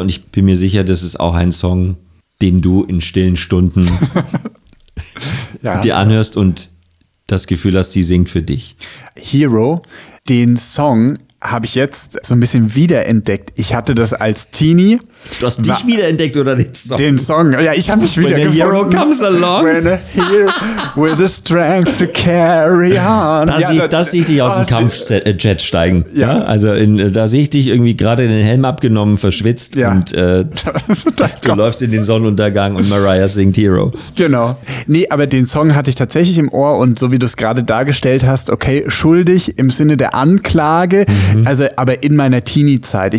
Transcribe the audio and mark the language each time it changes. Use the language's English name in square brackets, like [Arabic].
[German] Und ich bin mir sicher, das ist auch ein Song, den du in stillen Stunden dir anhörst und das Gefühl hast, die singt für dich. Hero den Song habe ich jetzt so ein bisschen wiederentdeckt. Ich hatte das als Teenie. Du hast dich wiederentdeckt oder den Song? Den Song, ja, ich habe mich wiedergefunden. [English] When a hero comes along. When a hero with the strength to carry on. [German] Da sehe ich dich aus dem Kampfjet steigen. Ja. Ja, also da sehe ich dich irgendwie gerade den Helm abgenommen, verschwitzt und du läufst in den Sonnenuntergang und Mariah singt Hero. Genau. Nee, aber den Song hatte ich tatsächlich im Ohr und so wie du es gerade dargestellt hast, okay, schuldig im Sinne der Anklage, also aber in meiner Teenie-Zeit.